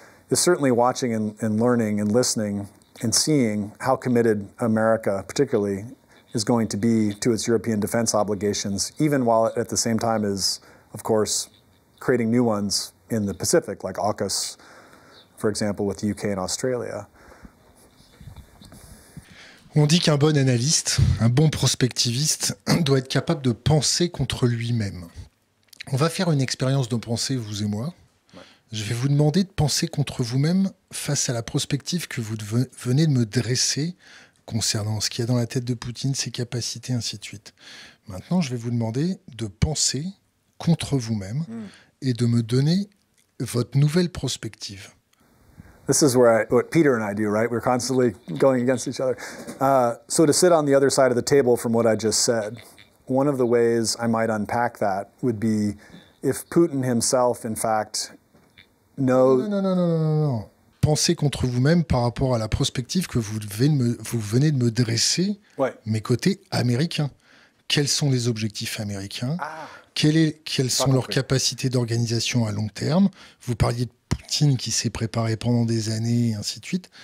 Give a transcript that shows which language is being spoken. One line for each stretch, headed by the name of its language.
English: is certainly watching and learning and listening and seeing how committed America particularly is going to be to its European defense obligations, even while at the same time is, of course, creating new ones in the Pacific, like AUKUS, for example, with the UK and Australia.
French: On dit qu'un bon analyste, un bon prospectiviste, doit être capable de penser contre lui-même. On va faire une expérience de pensée, vous et moi. Je vais vous demander de penser contre vous-même face à la perspective que vous venez de me dresser concernant ce qu'il y a dans la tête de Poutine, ses capacités, ainsi de suite. Maintenant, je vais vous demander de penser contre vous-même et de me donner votre nouvelle perspective.
English: This is where what Peter and I do, right? We're constantly going against each other. So to sit on the other side of the table from what I just said, one of the ways I might unpack that would be if Putin himself, in fact, knows...
French: Non. Pensez contre vous-même par rapport à la perspective que vous venez de me dresser, ouais. Mes côtés américains. Quels sont les objectifs américains? Quelles sont leurs capacités d'organisation à long terme? Vous parliez de Poutine qui s'est préparé pendant des années, et ainsi de suite.